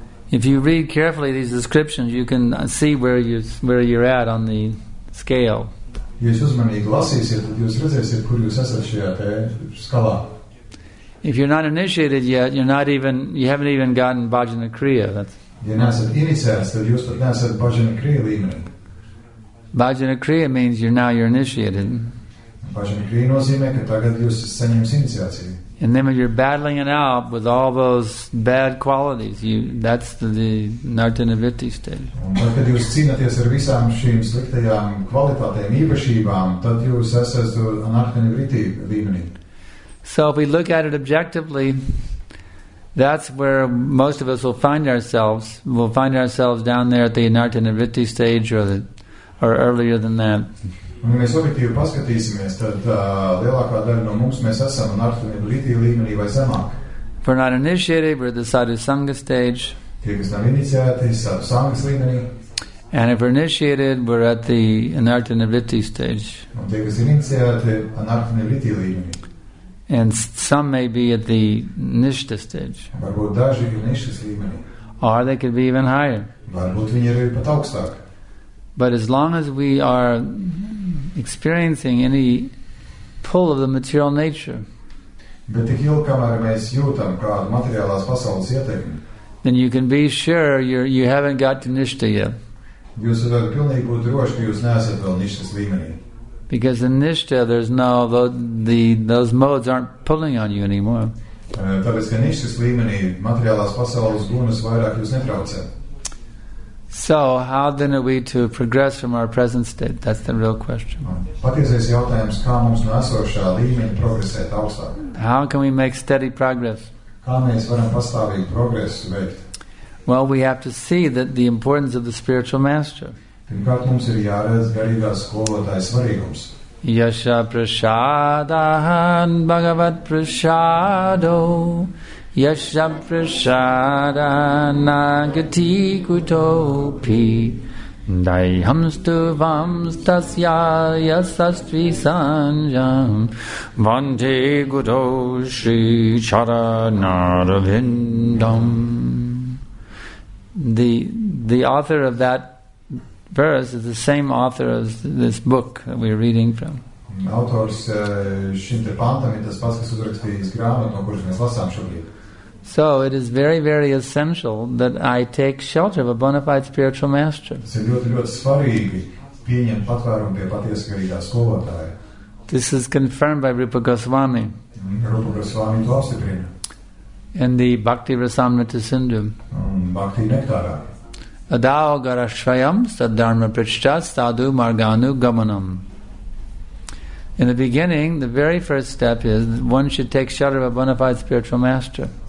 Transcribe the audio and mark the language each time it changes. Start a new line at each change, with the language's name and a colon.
English: If you read carefully these descriptions, you can see where you're at on the scale.
Latvian: Jūs uzmanīgi lasīsiet, tad jūs redzēsiet, kur jūs esat šajā skalā.
English: If you're not initiated yet, you haven't even gotten bhajana kriya.
Latvian: Ja neesat iniciēts, tad jūs pat neesat bhajana kriya līmenī.
English: Bhajana kriya means you're now initiated.
Latvian: Bhajana kriya nozīmē, ka tagad jūs saņems iniciāciju.
English: And then when you're battling it out with all those bad qualities, that's the nartanavritti stage.
Latvian: Un kad jūs cīnāties ar visām šīm sliktajām kvalitātēm, īpašībām, tad jūs esat nartanavritti līmenī.
English: So if we look at it objectively, that's where most of us will find ourselves. We'll find ourselves down there at the nartanavritti stage or earlier than that.
Latvian: Un, ja mēs objektīvi paskatīsimies, tad lielākā daļa no mums mēs esam un ar līmenī vai zemāk.
English: We're not initiated, we're at the sadhu sangha stage.
Latvian: tie, kas nav iniciēti, savu sāngas līmenī.
English: And if we're initiated, we're at the anartha nirvritti stage.
Latvian: Un tie, kas ir iniciēti, anartha nirvritti līmenī.
English: And some may be at the nishta stage.
Latvian: Varbūt daži ir nishtas līmenī.
English: Or they could be even higher.
Latvian: Varbūt viņi ir pat augstāk.
English: But as long as we are experiencing any pull of the material nature,
Latvian: bet tik ilgi, kamēr mēs jūtam kādu materiālās pasaules ietekmi,
English: then you can be sure you haven't got to nishta yet.
Latvian: Jūs varat pilnīgi būt droši, ka jūs neesat vēl nishtas līmenī.
English: Because in nishta, there's no, those modes aren't pulling on you anymore.
Latvian: Tāpēc, ka nishtas līmenī materiālās pasaules gunas vairāk jūs netraucē.
English: So, how then are we to progress from our present state? That's the real question.
Latvian: Patiesais jautājums, kā mums no esošā līmeņa progresēt augstāk?
English: How can we make steady progress?
Latvian: Kā mēs varam pastāvīgi progresu veikt?
English: Well, we have to see that the importance of the spiritual master.
Latvian: Pirmkārt, mums ir jāredz garīgās skolotājas svarīgums.
Sanskrit: Yasha prasādahan bhagavat prasādo Yasha prasādahan nāgati kutopi Daiham stuvam stasya yasastri sanjam Vante guto shri charanaravindam.
English: The author of that verse is the same author as this book that we're reading from.
Latvian: Autors šim te pantam ir tas pats, kas uzrakstījis grāmatu, no kuras mēs lasām šobrīd.
English: So it is very, very essential that I take shelter of a bona fide spiritual master.
Latvian: Tas ir ļoti, ļoti svarīgi pieņemt patvērumu pie patiesa garīgā skolotāja.
English: This is confirmed by Rupa Goswami.
Latvian: Rupa Goswami to apstiprina.
English: In the Bhakti Rasamrita Sindhu.
Latvian: Bhakti Nektārā.
Sanskrit: Adao garashvayam sadharma prichat sadhu marganu gamanam.
English: In the beginning, the very first step is one should take shelter of a bona fide spiritual master.